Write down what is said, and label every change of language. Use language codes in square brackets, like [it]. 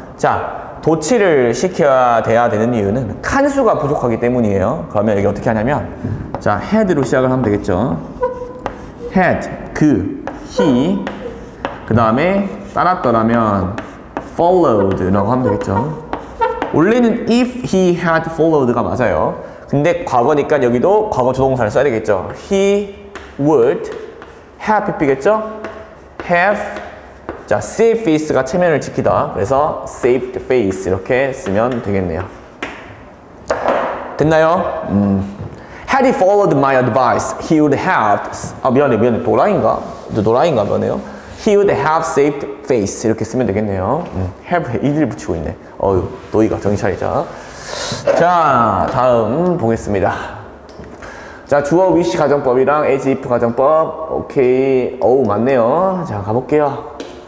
[ko] 자, 도치를 시켜야 돼야 되는 이유는 칸수가 부족하기 때문이에요. 그러면 여기 어떻게 하냐면, 자, head로 시작을 하면 되겠죠. had, 그, he, 그 다음에 따랐더라면 followed 라고 하면 되겠죠. 원래는 [en] if he had followed [ko] 가 맞아요. 근데 과거니까 여기도 과거 조동사를 써야 되겠죠. [en] He would have [ko] 겠죠? have 자, safe face가 체면을 지키다. 그래서 [en] saved face [ko] 이렇게 쓰면 되겠네요. 됐나요? [en] Had he followed my advice, he would have [ko] 아 미안해 미안해 도라인가? 도라인가 보네요. [en] He would have saved face [ko] 이렇게 쓰면 되겠네요. Have 이를 붙이고 있네. 어휴 너희가 정신 차리자. 자 다음 보겠습니다. 자 주어 wish 가정법이랑 as if 가정법 오케이 어우 맞네요. 자 가볼게요.